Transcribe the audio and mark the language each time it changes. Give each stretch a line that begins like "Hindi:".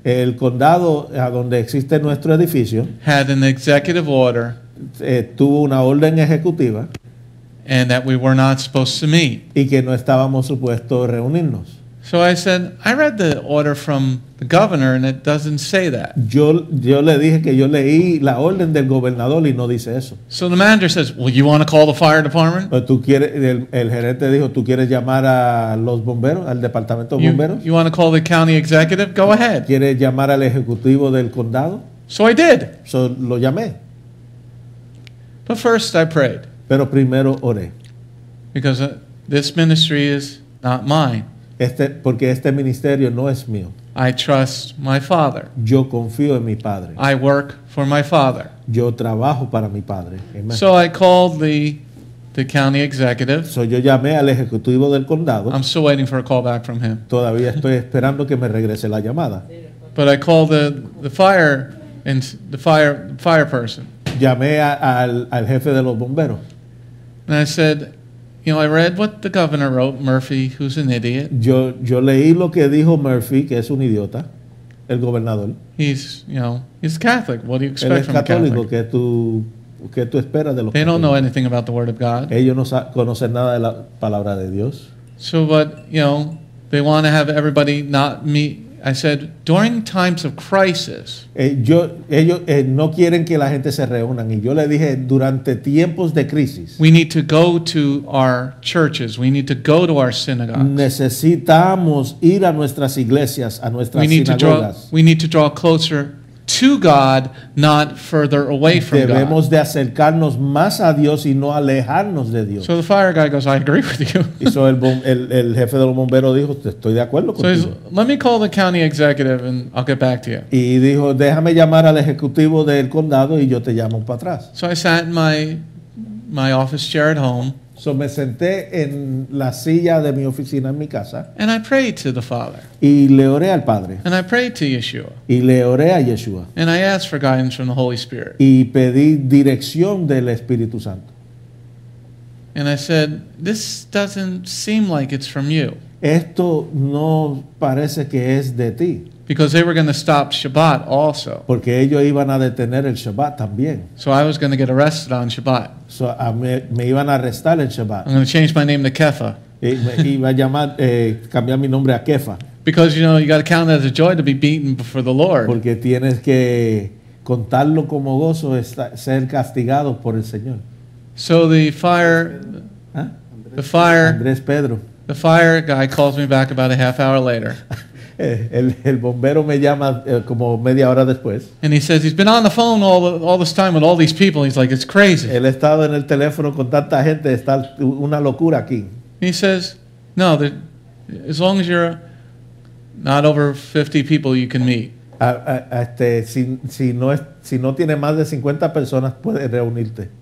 Spanish: el condado a donde existe nuestro edificio,
English: had an executive order,
Spanish: tuvo una orden ejecutiva,
English: and that we were not supposed to meet.
Spanish: Y que no estábamos supuestos reunirnos.
English: So I said, I read the order from the governor and it doesn't say that.
Spanish: Yo le dije que yo leí la orden del gobernador y no dice eso.
English: So the manager says, well, you want to call the fire department?
Spanish: Pero tú quieres, el gerente dijo, ¿tú quieres llamar a los bomberos, al departamento de bomberos?
English: You want to call the county executive? Go ahead.
Spanish: ¿Quieres llamar al ejecutivo del condado?
English: So I did.
Spanish: So lo llamé.
English: But first I prayed.
Spanish: Pero primero oré.
English: Because this ministry is not mine.
Spanish: Porque este ministerio no es mío.
English: I trust my father.
Spanish: Yo confío en mi padre.
English: I work for my father.
Spanish: Yo trabajo para mi padre.
English: Amen. So I called the county executive.
Spanish: So yo llamé al ejecutivo del condado.
English: I'm still waiting for a call back from him.
Spanish: Todavía estoy esperando que me regrese la llamada.
English: But I called the fire person.
Spanish: Llamé al jefe de los bomberos.
English: And I said, you know, I read what the governor wrote, Murphy, who's an idiot.
Spanish: Yo leí lo que dijo Murphy, que es un idiota, el gobernador.
English: He's, you know, he's Catholic. What do you expect
Spanish: él es
English: from
Spanish: católico,
English: a Catholic?
Spanish: ¿Qué tú esperas de los
English: They don't know anything about the word of God.
Spanish: Ellos no conocen nada de la palabra de Dios.
English: So, but, you know, they want to have everybody not meet. I said, during times of crisis.
Spanish: Ellos no quieren que la gente se reúnan. Y yo le dije, durante tiempos de crisis.
English: We need to go to our churches. We need to go to our synagogues.
Spanish: Necesitamos ir a nuestras iglesias, a nuestras sinagogas.
English: We need to draw closer to God, not further away from
Spanish: debemos
English: God.
Spanish: Debemos de acercarnos más a Dios y no alejarnos de Dios.
English: So the fire guy goes, I agree with you.
Spanish: Y so el jefe de los bomberos dijo, estoy de acuerdo contigo.
English: So let me call the county executive and I'll get back to you.
Spanish: Y dijo, déjame llamar al ejecutivo del condado y yo te llamo para atrás.
English: So I sat in my office chair at home.
Spanish: So me senté en la silla de mi oficina en mi casa.
English: And I prayed to the Father.
Spanish: Y le oré al Padre.
English: And I prayed to Yeshua.
Spanish: Y le oré a Yeshua.
English: And I asked for guidance from the Holy Spirit.
Spanish: Y pedí dirección del Espíritu Santo.
English: And I said, this doesn't seem like it's from you.
Spanish: Esto no parece que es de ti.
English: Because they were going to stop Shabbat also.
Spanish: Porque ellos iban a detener el Shabbat también.
English: So I was going to get arrested on Shabbat.
Spanish: So me iban a arrestar el Shabbat.
English: I'm going to change my name to Kepha.
Spanish: Iba a llamar, cambiar mi nombre a Kepha.
English: Because, you know, you got to count it as a joy to be beaten before the Lord.
Spanish: Porque tienes que contarlo como gozo ser castigado por el Señor.
English: So the fire
Spanish: Andrés Pedro.
English: The fire guy calls me back about a half hour later.
Spanish: El bombero me llama como media hora después.
English: And he says he's been on the phone all this time with all these people. He's like, it's crazy.
Spanish: El estado en el teléfono con tanta gente está una locura aquí.
English: He says, no, as long as you're not over 50 people, you can meet.
Spanish: Si no tiene más de 50 personas, puede reunirte.